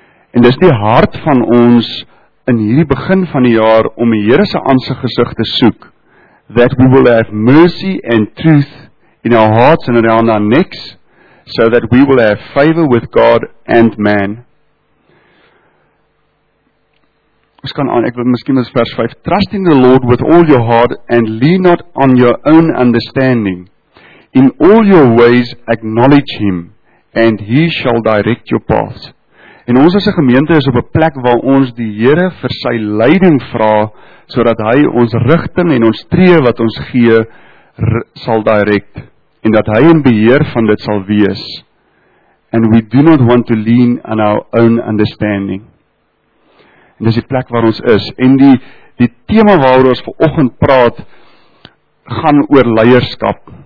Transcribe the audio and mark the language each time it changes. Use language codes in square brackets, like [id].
[af] En dis die hart van ons in hierdie begin van die jaar om die Here se aangesig te soek, [en] that we will have mercy and truth in our hearts and around our necks, so that we will have favor with God and man. [af] Ons kan aan, ek wil miskien ons vers 5, [en] trust in the Lord with all your heart and lean not on your own understanding. In all your ways acknowledge him and he shall direct your paths. [af] En ons as 'n gemeente is op 'n plek waar ons die Here vir sy leiding vra, sodat hy ons rigting en ons tree wat ons gee sal direct, en dat hy in beheer van dit sal wees. [en] And we do not want to lean on our own understanding. [af] En dis die plek waar ons is. En die tema waar ons vanoggend praat, gaan oor leierskap.